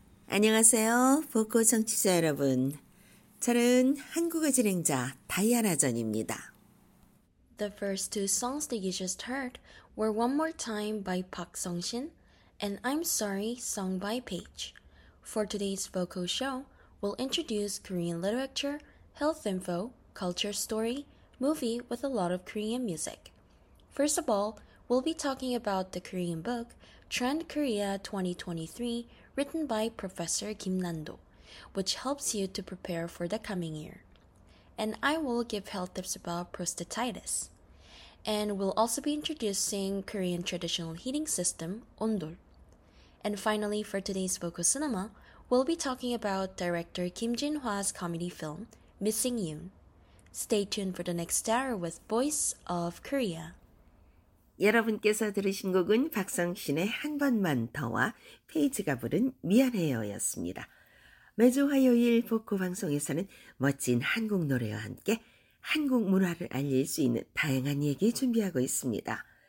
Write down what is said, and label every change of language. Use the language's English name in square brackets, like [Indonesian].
[Korean] 안녕하세요, 보고 청취자 여러분. 저는 한국어 진행자 다이아나 전입니다. [English] The first two songs that you just heard were One More Time by Park Song-shin and I'm Sorry, sung by Paige. For today's vocal show, we'll introduce Korean literature, health info, culture story, movie with a lot of Korean music. First of all, we'll be talking about the Korean book Trend Korea 2023 written by Professor Kim Nando, which helps you to prepare for the coming year. And I will give health tips about prostatitis. And we'll also be introducing Korean traditional heating system, Ondol. And finally, for today's Voco Cinema, we'll be talking about director Kim Jin-hwa's comedy film, Missing Yoon. Stay tuned for the next hour with Voice of Korea. [Korean] 여러분께서 들으신 곡은 박성신의 한 번만 더와 페이지가 부른 미안해요였습니다. 매주 화요일 보코 방송에서는 멋진 한국 노래와 함께 한국 문화를 알릴 수 있는 다양한 얘기 준비하고 있습니다.